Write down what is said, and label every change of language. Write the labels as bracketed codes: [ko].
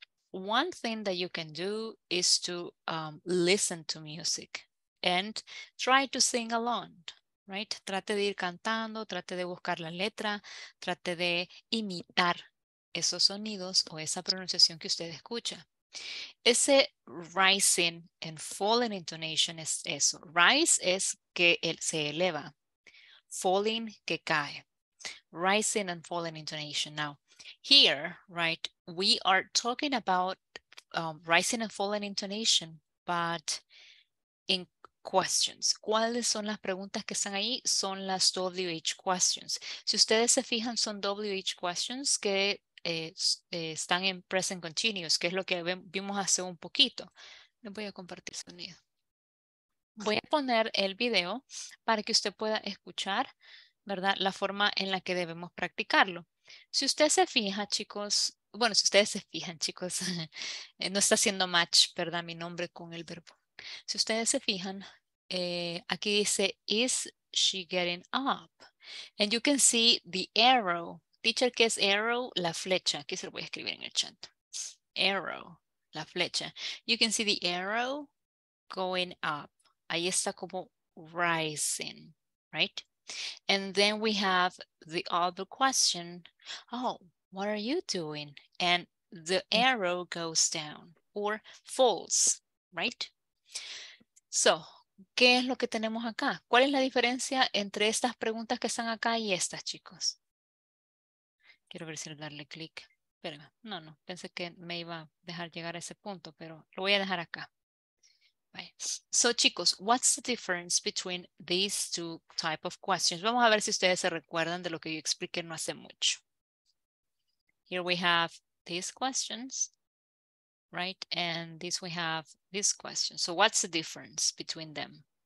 [en] One thing that you can do is to listen to music and try to sing along, right? [es] Trate de ir cantando, trate de buscar la letra, trate de imitar esos sonidos o esa pronunciación que usted escucha. Ese rising and falling intonation es eso. Rise es que se eleva. Falling, que cae. [en] Rising and falling intonation. Now, here, right, we are talking about rising and falling intonation, but in questions. [es] ¿Cuáles son las preguntas que están ahí? Son las WH questions. Si ustedes se fijan, son WH questions que están en present continuous, que es lo que vimos hace un poquito. Les voy a compartir sonido. Voy a poner el video para que usted pueda escuchar ¿verdad? La forma en la que debemos practicarlo. Si usted se fija, chicos, bueno, si ustedes se fijan, chicos, no está haciendo match, ¿verdad? Mi nombre con el verbo. Si ustedes se fijan, aquí dice, [en] is she getting up? And you can see the arrow. Teacher, [es] ¿qué es arrow? La flecha. Aquí se lo voy a escribir en el chat. [en] Arrow, [es] la flecha. [en] You can see the arrow going up. [es] Ahí está como rising, right? And then we have the other question. [en] Oh, what are you doing? And the arrow goes down or falls, right? [es] So, ¿qué es lo que tenemos acá? ¿Cuál es la diferencia entre estas preguntas que están acá y estas, chicos? Quiero ver si le darle clic. Espérame. No, no. Pensé que me iba a dejar llegar a ese punto, pero lo voy a dejar acá. [en] Bye. So, chicos, what's the difference between these two type of questions? [es] Vamos a ver si ustedes se recuerdan de lo que yo expliqué no hace mucho. [en] Here we have these questions, right? And this we have this question. So what's the difference between them?